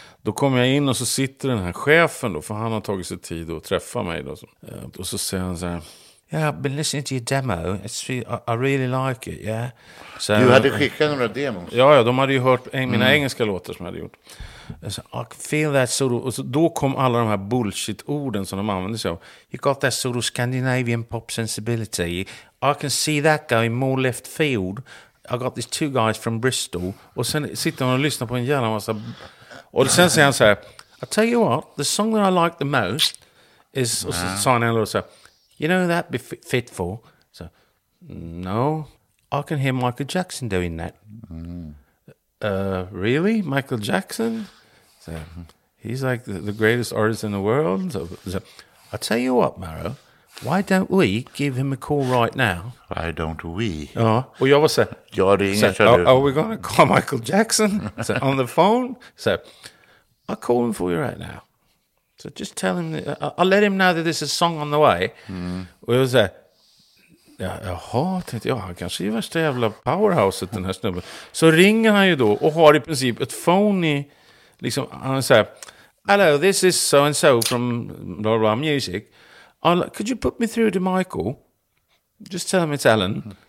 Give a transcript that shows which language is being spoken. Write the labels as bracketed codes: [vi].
[sv] Då kom jag in och så sitter den här chefen då, för han har tagit sig tid att träffa mig då. Och så säger han så här, [en] yeah, I've been listening to your demo. I really like it, yeah. [sv] Så du hade skickat några demos? Ja, de hade ju hört mina engelska låtar som jag hade gjort. [en] So, I feel that sort of, [sv] och så då kom alla de här bullshit-orden som de använde sig av. [en] You got that sort of Scandinavian pop sensibility. I can see that going more left field. I got these two guys from Bristol. [sv] Och sen sitter man och lyssnar på en jävla massa... Och sen säger han så här, [en] I tell you what, the song that I like the most is... [sv] Och så sa han en låt så här, [en] you know who that be fit for? So, no, I can hear Michael Jackson doing that. Really, Michael Jackson? So, he's like the greatest artist in the world. So, I tell you what, Maro, why don't we give him a call right now? Why don't we? Well, you always say, are we going to call Michael Jackson on the phone? So, I'll call him for you right now. So just tell him, I'll let him know that there's a song on the way. [sv] Och jag var såhär, jaha, tänkte jag, han kanske är värsta jävla powerhouse den här snubben. Så ringer han ju då och har i princip ett phony, liksom, han säger, [en] hello, this is so and so from blah, blah, music. Could you put me through to Michael? Just tell him it's Alan.